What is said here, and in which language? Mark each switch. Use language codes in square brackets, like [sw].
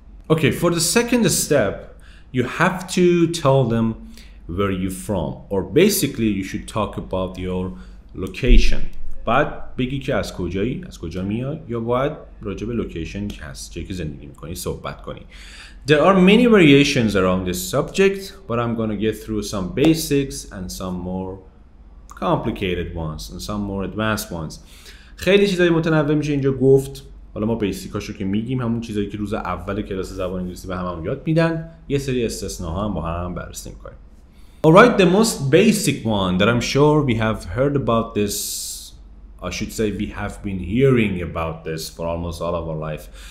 [en] Okay, for the second step you have to tell them where you from, or basically you should talk about your location. [fa] بعد بگی که از کجایی، از کجا میاد، یا باید راجع به لوکیشن که هست، جایی که زندگی میکنی صحبت کنی. [en] There are many variations around this subject but I'm gonna get through some basics and some more complicated ones and some more advanced ones. [fa] خیلی چیزای متنوع میشه اینجا گفت. حالا ما بیسیکاشو که میگیم همون چیزایی که روز اول کلاس زبان انگلیسی به همون یاد میدن. یه سری استثناء هم با هم بررسی میکنیم. [en] Alright, the most basic one that I'm sure we have heard about this, I should say we have been hearing about this for almost all of our life.